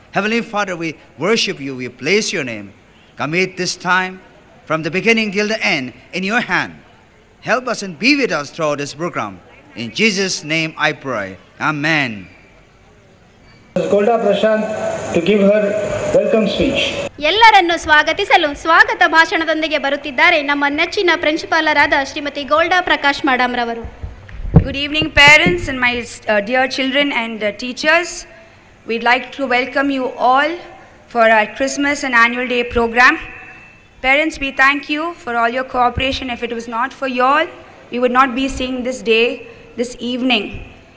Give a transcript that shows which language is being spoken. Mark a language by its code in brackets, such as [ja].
[en] Heavenly Father, we worship you, we place your name, commit this time from the beginning till the end in your hand. Help us and be with us throughout this program. In Jesus' name I pray. Amen. Golda Prashant to give her welcome speech. [kn] ಎಲ್ಲರನ್ನು ಸ್ವಾಗತಿಸಲು ಸ್ವಾಗತ ಭಾಷಣದೊಂದಿಗೆ ಬರುತ್ತಿದ್ದಾರೆ ನಮ್ಮ ನೆಚ್ಚಿನ ಪ್ರಿನ್ಸಿಪಾಲರಾದ Shrimati ಗೋಲ್ಡಾ Prakash madam ರವರು. [en] Good evening, parents and my dear children and teachers. We'd like to welcome you all for our Christmas and Annual Day program. Parents, we thank you for all your cooperation. If it was not for you all, we would not be seeing this day, this evening.